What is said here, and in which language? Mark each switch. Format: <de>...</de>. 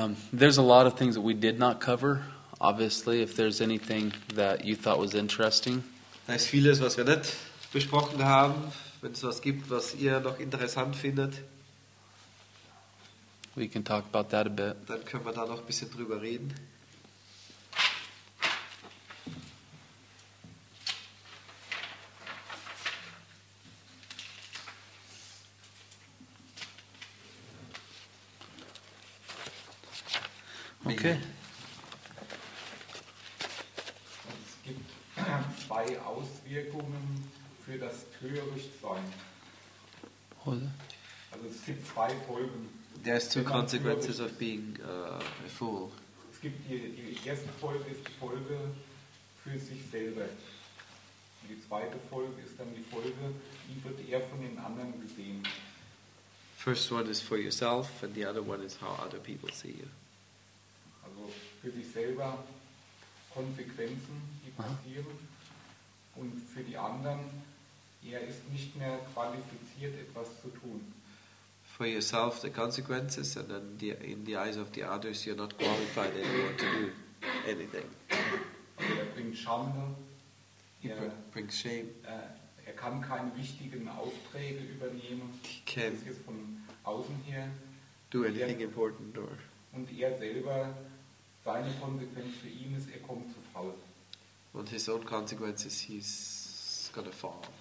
<en>There's a lot of things that we did not cover. Obviously, if there's anything that you thought was interesting.</en> <de>Da ist vieles, was wir nicht besprochen haben. Wenn es was gibt, was ihr noch interessant findet.</de> <en>We can talk about that a bit.</en> <de>Dann können wir da noch ein bisschen drüber reden. Okay. Es gibt zwei Auswirkungen für das Törichtsein. Also es gibt zwei Folgen.</de> <en>There's two consequences of being a fool.</en> <de>Es gibt die erste Folge ist die Folge für sich selber. Und die zweite Folge ist dann die Folge, wie wird er von den anderen gesehen?</de> <en>First one is for yourself and the other one is how other people see you.</en> <de>Für sich selber Konsequenzen, die passieren, uh-huh. Und für die anderen, er ist nicht mehr qualifiziert, etwas zu tun.</de> <en>For yourself the consequences, and then in the eyes of the others, you're not qualified anymore to do anything.</en> <de>Also er bringt Schande.</de> <en>Brings shame.</en> <de>Er kann keine wichtigen Aufträge übernehmen.</de> <en>He can't</en> <de>jetzt von außen her.</de> <en>Do anything important or.</en> <de>Und er selber. Seine Konsequenz für ihn ist, er kommt zu faul.</de> <en>Und his own consequence is, he's gonna fall.</en>